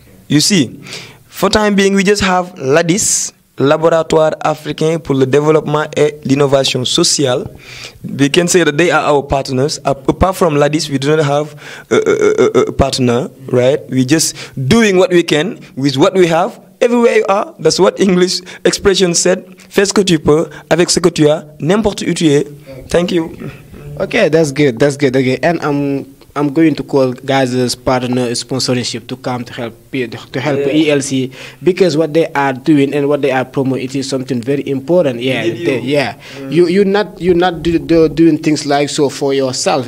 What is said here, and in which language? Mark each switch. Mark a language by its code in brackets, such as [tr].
[en] You see, for time being, we just have LADIS, Laboratoire Africain pour le Développement et l'Innovation Sociale. We can say that they are our partners. Apart from LADIS, we do not have a partner, right? We're just doing what we can with what we have. Everywhere you are, that's what English expression said. [fr] Fais ce que tu peux avec ce que tu as, n'importe où tu es. [en] Thank you. Okay, that's good. That's good. Okay, and I'm going to call guys' partner sponsorship to come to help ELC, because what they are doing and what they are promoting is something very important. You're not doing things like so for yourself.